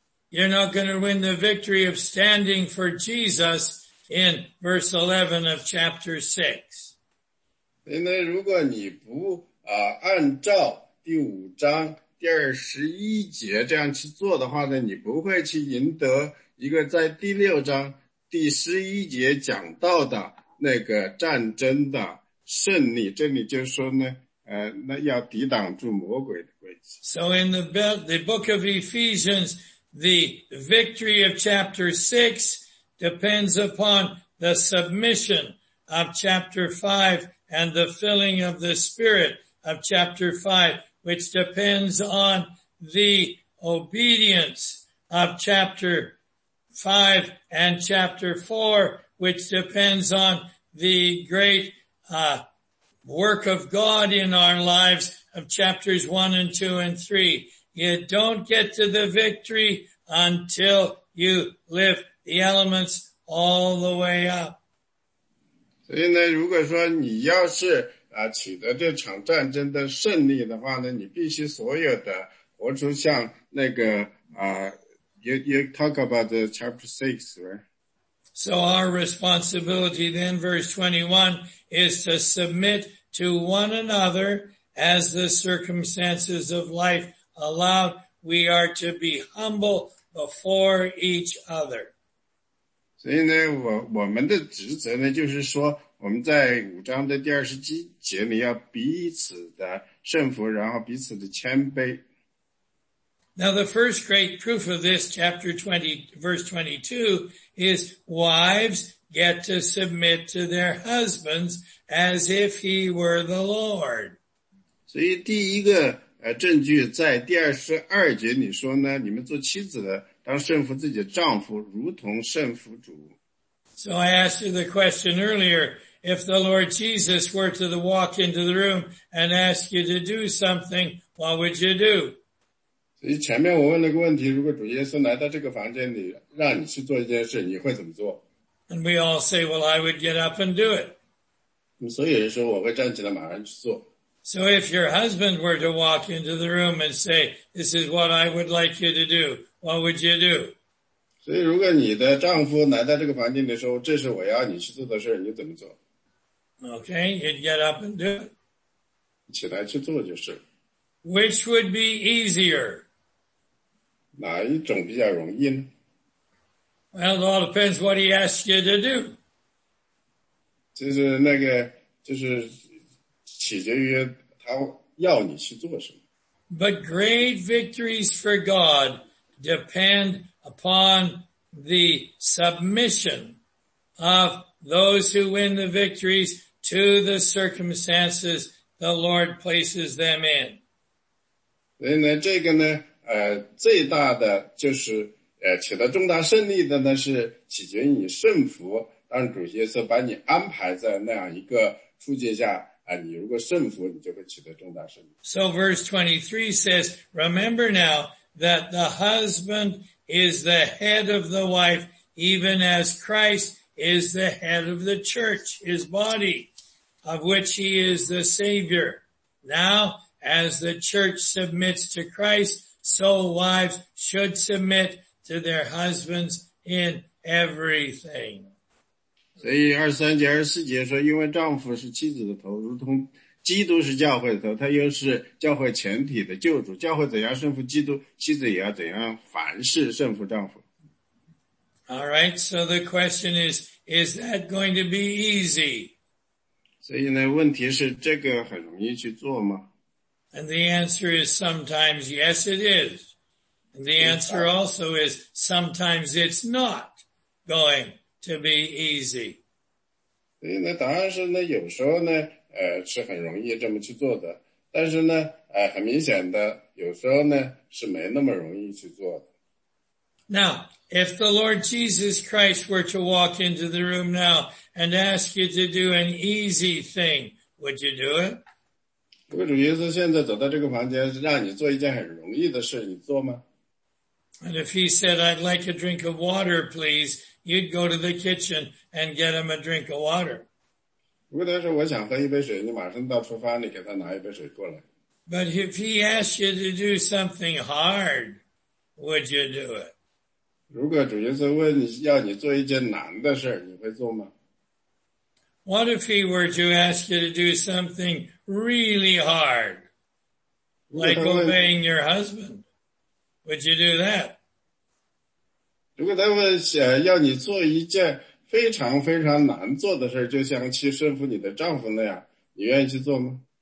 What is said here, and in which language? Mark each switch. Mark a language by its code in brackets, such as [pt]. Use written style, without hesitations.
[en] You're not going to win the victory of standing for Jesus in verse 11 of chapter 6. [zh] 因为如果你不按照第五章第二十一节这样去做的话呢，你不会去赢得一个在第六章第十一节讲到的那个战争的胜利。这里就说呢，那要抵挡住魔鬼的诡计。 [en] So in the book of Ephesians, the victory of chapter 6 depends upon the submission of chapter 5 and the filling of the spirit of chapter 5. Which depends on the obedience of chapter 5 and chapter 4, which depends on the great, work of God in our lives of chapters 1 and 2 and 3. You don't get to the victory until you lift the elements all the way up. [zh] 所以呢，如果说你要是啊，取得这场战争的胜利的话呢，你必须所有的活出像那个啊 ， [en] you talk about the chapter 6, right? So our responsibility then, verse 21, is to submit to one another as the circumstances of life allow. We are to be humble before each other. [zh] 所以呢，我们的职责呢，就是说。我们在五章的第二十七节里要彼此的顺服，然后彼此的谦卑。 [en] Now the first great proof of this, chapter 20, verse 22, is wives get to submit to their husbands as if he were the Lord. [zh] 所以第一个证据在第二十二节里说呢，你们做妻子的当顺服自己的丈夫，如同顺服主。 [en] So I asked you the question earlier, if the Lord Jesus were to walk into the room and ask you to do something, what would you do? [zh] 所以前面我问了个问题，如果主耶稣来到这个房间里，让你去做一件事，你会怎么做？ [en] And we all say, well, I would get up and do it. [zh] 所以有人说我会站起来马上去做。 [en] So if your husband were to walk into the room and say, this is what I would like you to do, what would you do? [zh] 所以如果你的丈夫来到这个房间里说这是我要你去做的事你怎么做 [en] Okay, you'd get up and do it. [zh] 起来去做就是。 [en] Which would be easier? [zh] 哪一种比较容易呢 [en] Well, it all depends what he asks you to do. [zh] 就是那个就是取决于他要你去做什么。 [en] But great victories for God depend upon the submission of those who win the victories to the circumstances the Lord places them in. [zh] 所以呢，这个呢，最大的就是取得重大胜利的呢，是取决于你顺服。当主耶稣把你安排在那样一个处境下你如果顺服，你就会取得重大胜利。 [en] So verse 23 says, "Remember now that the husband." Is the head of the wife, even as Christ is the head of the church, his body, of which he is the Savior. Now, as the church submits to Christ, so wives should submit to their husbands in everything. [zh] 所以二十三节、二十四节说，因为丈夫是妻子的头，如同基督是教会的头，他又是教会全体的救主。教会怎样顺服基督，妻子也要怎样凡事顺服丈夫。 [en] All right, so the question is that going to be easy? [zh] 所以呢，问题是这个很容易去做吗 [en] ？And the answer is sometimes yes, it is. And the answer also is sometimes it's not going to be easy. [zh] 所以呢，答案是呢，有时候呢。是很容易这么去做的，但是呢，很明显的，有时候呢，是没那么容易去做的。 [en] Now, if the Lord Jesus Christ were to walk into the room now and ask you to do an easy thing, would you do it? [zh] 如果主耶稣现在走到这个房间，让你做一件很容易的事，你做吗？ [en] And if he said, I'd like a drink of water, please, you'd go to the kitchen and get him a drink of water. [zh] 如果他说我想喝一杯水，你马上到厨房里给他拿一杯水过来。 [en] But if he asked you to do something hard, would you do it? [zh] 如果主耶稣问你要你做一件难的事，你会做吗？ [en] What if he were to ask you to do something really hard, like obeying your husband? Would you do that? [zh] 如果他问要你做一件非常非常难做的事，就像去顺服你的丈夫那样，你愿意去做吗？